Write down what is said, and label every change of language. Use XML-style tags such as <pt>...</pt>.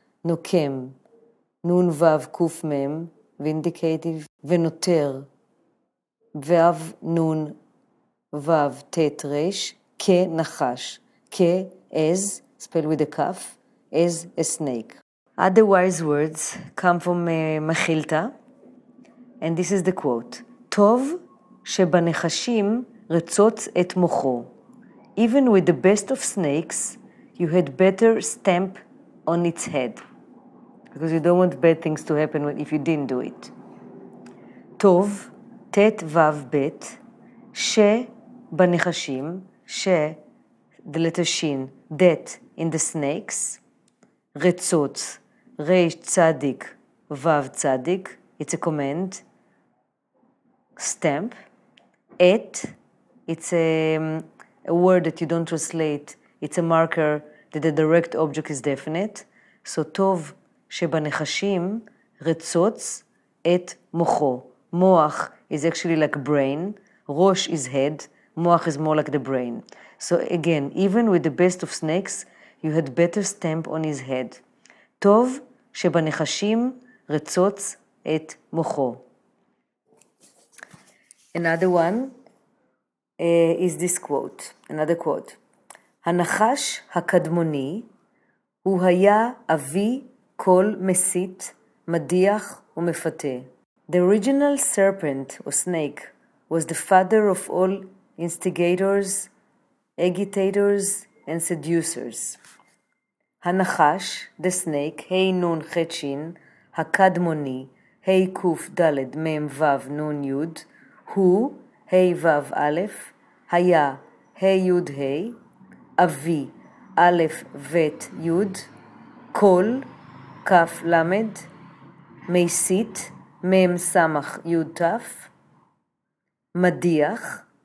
<he>נוקם, נון וו קוף מם, וינדיקטיב, ונותר, וו נון וו תת רש, כנחש, כ-as,</he> <en>spelled with a cuff, as a snake. Other wise words come from מחילתה, and this is the quote,</en> <he>טוב שבנחשים רצוץ את מוחו.</he> <en>Even with the best of snakes, you had better stamp on its head. Because you don't want bad things to happen if you didn't do it.</en> <he>טוב, תת וו בית, שבנחשים, ש, the letter שין,</he> <en>that in the snakes,</en> <he>רצוץ, ריש צדיק, וו צדיק,</he> <en>it's a command, stamp, את, it's a word that you don't translate, it's a marker that the direct object is definite, so</en> <he>טוב, שבנחשים רצוץ את מוחו.</he> <en>מוח is actually like brain. ראש is head. מוח is more like the brain. So again, even with the best of snakes, you had better stamp on his head.</en> <he>טוב שבנחשים רצוץ את מוחו.</he> <en>Another one is this quote. Another quote.</en> <he>הנחש הקדמוני הוא היה אבי כל מסית, מדיח ומפתה.</he> <en>The original serpent or snake was the father of all instigators, agitators and seducers.</en> <he>הנחש,</he> <en>the snake,</en> <he>hey nun chetshin, הקדמוני, hey kuf dalet mem vav nun yud, הוא, hey vav alef, היה, hey yud hey, אבי, alef vet yud, כל, כף למד, מייסית, מם סמך יוד תף, מדיח,</he>